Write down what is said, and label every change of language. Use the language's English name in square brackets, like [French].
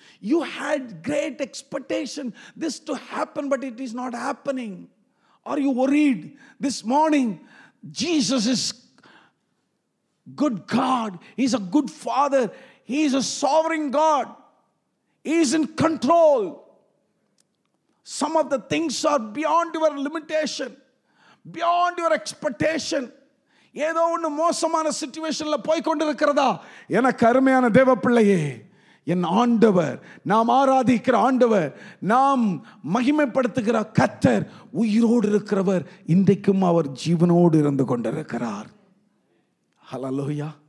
[English] You had great expectation this to happen but it is not happening. Are you worried this morning? Jesus is good God, he's a good father, he's a sovereign God, He is in control. Some of the things are beyond your limitation, beyond your expectation. [Tamil] ஏதோ ஒன்று மோசமான சிச்சுவேஷனில் போய் கொண்டிருக்கிறதா? என கருமையான தேவ பிள்ளையே, என் ஆண்டவர், நாம் ஆராதிக்கிற ஆண்டவர், நாம் மகிமைப்படுத்துகிற கர்த்தர் உயிரோடு இருக்கிறவர். இன்றைக்கும் அவர் ஜீவனோடு இருந்து கொண்டிருக்கிறார். ஹல்லேலூயா.